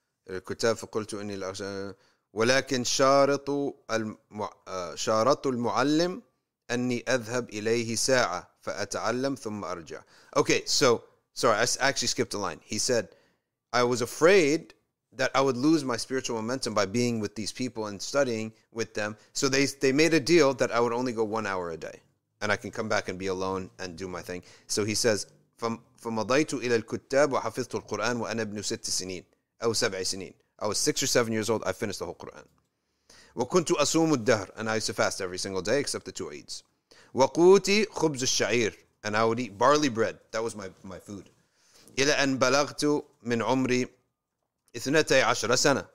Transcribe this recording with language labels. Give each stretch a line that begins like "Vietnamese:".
Arabic: الكتاب فقلت إني ولكن شارط المعلم أني أذهب إليه ساعة فأتعلم ثم أرجع.
English: Okay, so sorry, I actually skipped a line. He said, I was afraid that I would lose my spiritual momentum by being with these people and studying with them. So they made a deal that I would only go 1 hour a day, and I can come back and be alone and do my thing. So he says,
Arabic: فَمَضَيْتُ إِلَى الْكُتَّابِ وَحَفِظْتُ الْقُرْآنِ وَأَنَا ابْنُ سِتِّ سِنِينَ أو سَبْعِ سِنِينَ.
English: I was 6 or 7 years old, I finished the whole Qur'an.
Arabic: وَكُنْتُ أَصُومُ الدَّهْرِ.
English: And I used to fast every single day except the 2 Eids.
Arabic: وَقُوتِ خُبْزُ الشَّعِيرِ.
English: And I would eat barley bread. That was my food.
Arabic: إِلَى أَنْ بَلَغْتُ مِنْ عُمْرِ 12 سَنَةً.